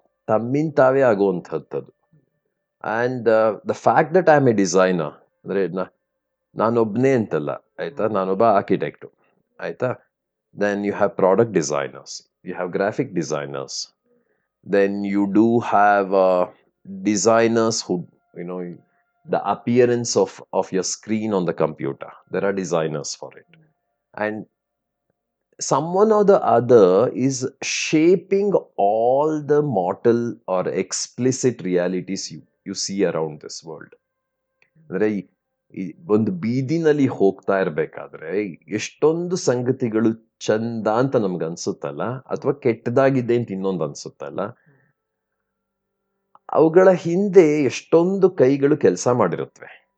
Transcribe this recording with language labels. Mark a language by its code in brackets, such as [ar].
[kn] ತಮ್ಮಿಂತಾವೇ ಆಗುವಂಥದ್ದು. [en] and the fact that I am a designer [kn] ಅಂದರೆ ನಾನೊಬ್ಬನೇ ಅಂತಲ್ಲ, ಆಯಿತಾ, ನಾನೊಬ್ಬ ಆರ್ಕಿಟೆಕ್ಟು, ಆಯಿತಾ, [en] Then you have product designers, you have graphic designers, then you do have designers who'd you know the appearance of of your screen on the computer, there are designers for it. And someone or the other is shaping all the mortal or explicit realities you see around this world. [kn] ಅಂದರೆ ಒಂದು ಬೀದಿನಲ್ಲಿ ಹೋಗ್ತಾ ಇರಬೇಕಾದ್ರೆ ಎಷ್ಟೊಂದು ಸಂಗತಿಗಳು ಚಂದ ಅಂತ ನಮ್ಗೆ ಅನಿಸುತ್ತಲ್ಲ, ಅಥವಾ ಕೆಟ್ಟದಾಗಿದೆ ಅಂತ ಇನ್ನೊಂದು ಅನಿಸುತ್ತಲ್ಲ, ಅವುಗಳ ಹಿಂದೆ ಎಷ್ಟೊಂದು ಕೈಗಳು ಕೆಲಸ ಮಾಡಿರುತ್ತವೆ.